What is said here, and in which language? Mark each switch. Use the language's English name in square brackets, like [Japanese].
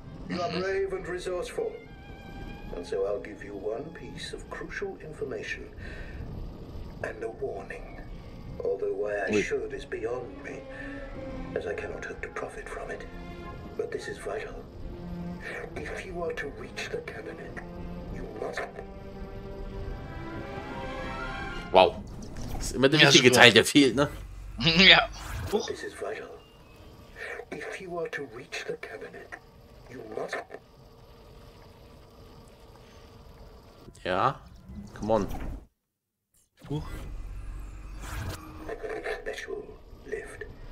[English] You are brave and resourceful. And so I'll give you one piece of crucial information and a warning. Although why I should is beyond me, as I cannot hope to profit from it. But this is vital. If you are to reach the cabinet, you must. Wow. [German] Das ist immer der wichtige Teil, der fehlt, ne? Ja. [English] This is vital. If you are to reach the cabinet, you must. Ja, come on. Huch. Special lift.